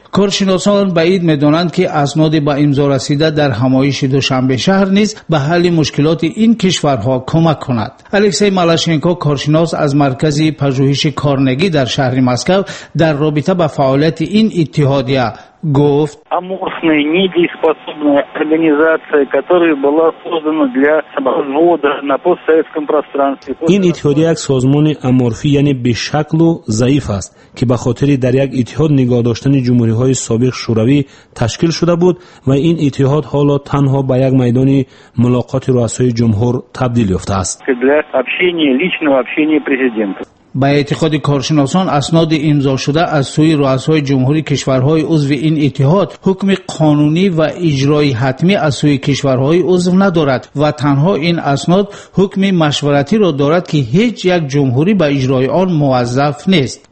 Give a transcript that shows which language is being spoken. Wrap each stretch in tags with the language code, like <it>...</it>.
<fa>کارشناسان بعید می‌دانند که اسناد به امضا رسیده در همایش دوشنبه شهر نیز به حل مشکلات این کشورها کمک کند. الکسی مالاشنکو کارشناس از مرکز پژوهش کارنگی در شهر مسکو در رابطه با فعالیت این اتحادیه گفت:</fa> <ru>аморфная, недееспособная организация, которая была создана для развода на постсоветском пространстве.</ru> <fa>این اتحادیه یک سازمان امورفی یعنی به شکل و ضعیف است که به خاطر در یک اتحاد نگاه داشتن جمهوری های سابق شوروی تشکیل شده بود و این اتحاد حالا تنها به یک میدان ملاقات رؤسای جمهور تبدیل یافته است.</fa> <ru>для общения, личного общения президента.</ru> <fa>با اعتقاد کارشناسان اسناد امضا شده از سوی رؤسای جمهوری کشورهای عضو این اتحاد حکم قانونی و اجرایی حتمی از سوی کشورهای عضو ندارد و تنها این اسناد حکم مشورتی را دارد که هیچ یک جمهوری به اجرای آن موظف نیست.</fa>